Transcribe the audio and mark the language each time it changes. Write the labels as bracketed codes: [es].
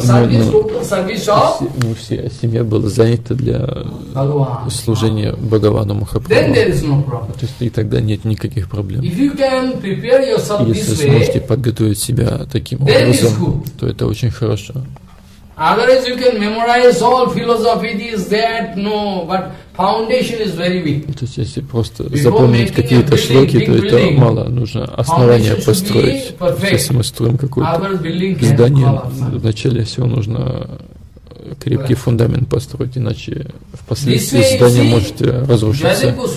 [ru] все, семья была занята для служения Бхагавану Махапрабху. То есть и тогда нет никаких проблем. Если сможете подготовить себя таким образом, то это очень хорошо. [en] Otherwise you can memorize all philosophy, this, that, no, but foundation is very weak. [ru] То есть если просто запомнить какие-то шлоки, то это мало, нужно основание построить. Если мы строим какое-то здание, вначале всего нужно крепкий фундамент построить, иначе впоследствии здание может разрушиться.